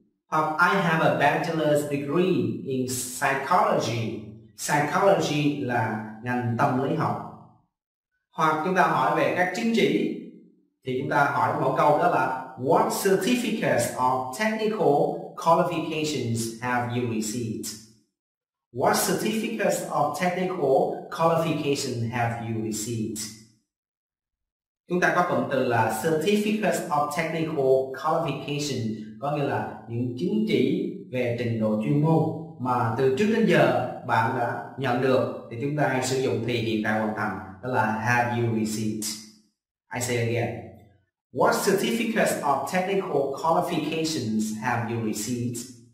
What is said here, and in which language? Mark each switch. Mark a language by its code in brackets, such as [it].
[en] Hoặc I have a bachelor's degree in psychology. [vi] Psychology là ngành tâm lý học. Hoặc chúng ta hỏi về các chứng chỉ thì chúng ta hỏi một câu đó là [en] What certificates of technical qualifications have you received? What certificates of technical qualifications have you received? [vi] Chúng ta có cụm từ là [en] certificates of technical qualification, [vi] có nghĩa là những chứng chỉ về trình độ chuyên môn mà từ trước đến giờ bạn đã nhận được, thì chúng ta sử dụng thì hiện tại hoàn thành, đó là [en] have you received. I say again, what certificates of technical qualifications have you received?